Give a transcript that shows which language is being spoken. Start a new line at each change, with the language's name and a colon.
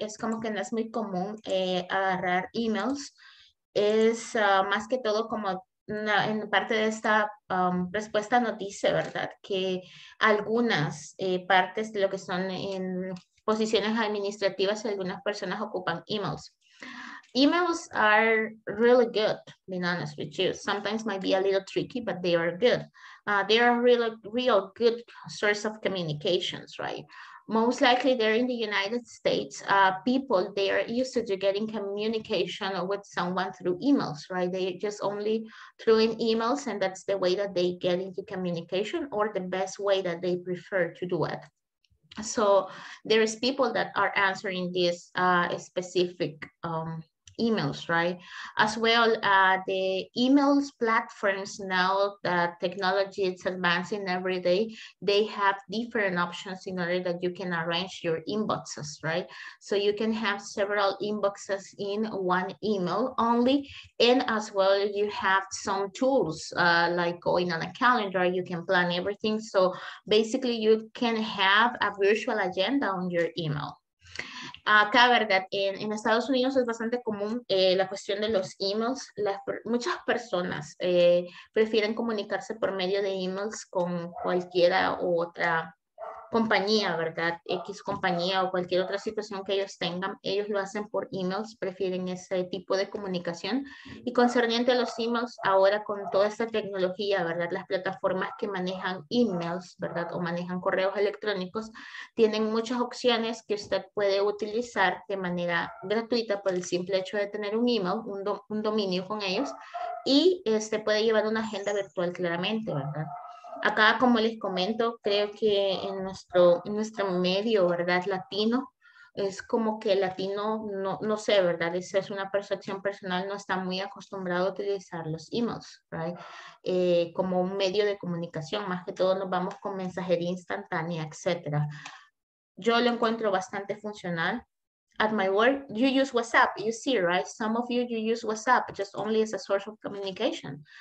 Spanish: Es como que no es muy común agarrar emails. Es más que todo como una, en parte de esta respuesta nos dice, ¿verdad? Que algunas partes de lo que son en posiciones administrativas, algunas personas ocupan emails.
English: Emails are really good, being honest with you. Sometimes might be a little tricky, but they are good. They are really, real good source of communications, right? Most likely they're in the United States. People, they are used to getting communication with someone through emails, right? They just only through in emails, and that's the way that they get into communication or the best way that they prefer to do it. So there is people that are answering this specific emails, right? As well, the emails platforms, now that technology is advancing every day, they have different options in order that you can arrange your inboxes, right? So you can have several inboxes in one email only. And as well, you have some tools like going on a calendar, you can plan everything. So basically you can have a virtual agenda on your email.
Spanish: Acá, ¿verdad? En Estados Unidos es bastante común la cuestión de los emails. Muchas personas prefieren comunicarse por medio de emails con cualquiera u otra compañía, ¿verdad? X compañía o cualquier otra situación que ellos tengan. Ellos lo hacen por emails, prefieren ese tipo de comunicación. Y concerniente a los emails, ahora con toda esta tecnología, ¿verdad? Las plataformas que manejan emails, ¿verdad? O manejan correos electrónicos, tienen muchas opciones que usted puede utilizar de manera gratuita por el simple hecho de tener un email, un dominio con ellos. Y este puede llevar una agenda virtual claramente, ¿verdad? Acá, como les comento, creo que en nuestro medio, ¿verdad? Latino, es como que latino, no sé, ¿verdad? Esa es una percepción personal, no está muy acostumbrado a utilizar los emails, ¿verdad? Como un medio de comunicación, más que todo nos vamos con mensajería instantánea, etc. Yo lo encuentro bastante funcional.
English: At my work, you use WhatsApp, you see, right? Some of you, you use WhatsApp just only as a source of communication.